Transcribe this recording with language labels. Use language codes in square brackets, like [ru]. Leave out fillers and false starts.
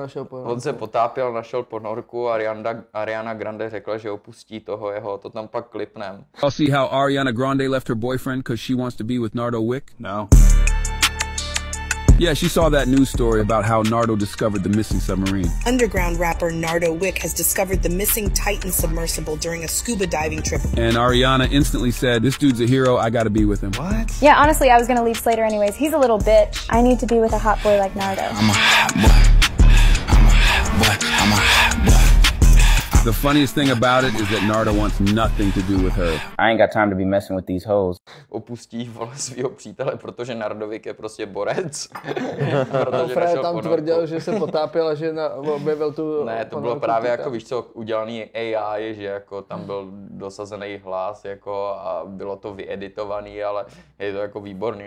[cs] On se potápěl, našel ponorku a Ariana Grande řekla, že opustí toho jeho, to tam pak klipnem. [en] I'll see how Ariana Grande left her boyfriend because she wants to be with Nardo Wick? No. Yeah, she saw that news story about how Nardo discovered the missing submarine. Underground rapper Nardo Wick has discovered the missing Titan submersible during a scuba diving trip. And Ariana instantly said, this dude's a hero, I gotta be with him. What? Yeah, honestly, I was gonna leave Slater anyways. He's a little bitch. I need to be with a hot boy like Nardo. I'm a hot boy. I'm a hot boy. I'm a hot boy. The funniest thing about it is that Nardo wants nothing to do with her. I ain't got time to be messing with these hoes. [cs] Opustí vole svýho přítele, protože Nardovik je prostě borec. Fred tam ponorku. Tvrdil, že se potápěl a že objevil tu ponorku. Ne, to bylo právě jako, víš co, udělaný AI, že jako tam byl dosazený hlas jako a bylo to vyeditovaný, ale je to jako výborný.